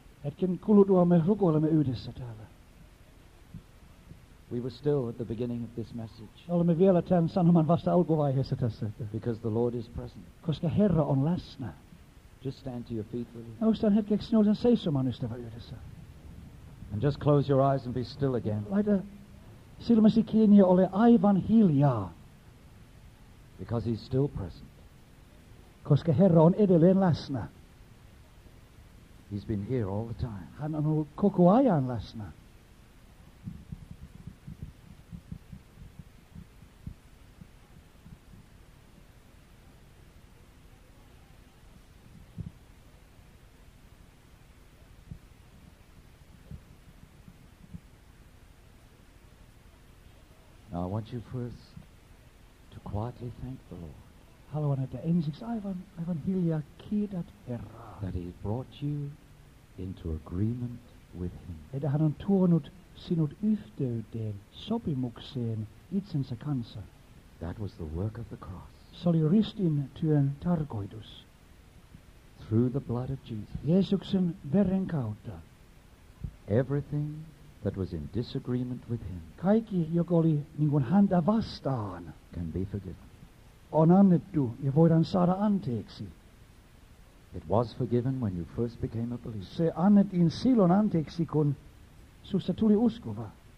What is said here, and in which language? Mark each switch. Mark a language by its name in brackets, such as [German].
[Finnish] Hetken kuluttua me rukoilemme yhdessä täällä. [English] We were still at the beginning of this message. [Finnish] Olemme vielä tämän sanoman vasta alkuvaiheessa tässä. [English] Because the Lord is present. [Finnish] Koska Herra on läsnä. [English] Just stand to your feet, will you? [Finnish] Noustaan hetkeksi nousen seisomaan ystävä yhdessä. [English] And just close your eyes and be still again. [Finnish] Laita silmäsi kiinni ja ole aivan hiljaa. [English] Because he's still present. [Finnish] Koska Herra on edelleen läsnä. [English] He's been here all the time. [Finnish] Hän on ollut koko ajan läsnä. [English] want you first to quietly thank the Lord. [Finnish] Haluan, että ensiksi aivan hiljaa kiität Herraa. [English] That he brought you into agreement with him. [Finnish] Että hän on tuonut sinut yhteyteen, sopimukseen itsensä kanssa. [English] That was the work of the cross. [Finnish] Se oli ristin työn tarkoitus. [English] Through the blood of Jesus. [Finnish] Jeesuksen veren kautta. [English] Everything that was in disagreement with him. [Finnish] Kaikki, joka oli niin kuin häntä vastaan. [English] Can be forgiven. [Finnish] On annettu ja voidaan saada anteeksi. [English] It was forgiven when you first became a believer. [Finnish] Se annettiin silloin anteeksi, kun susta tuli uskova.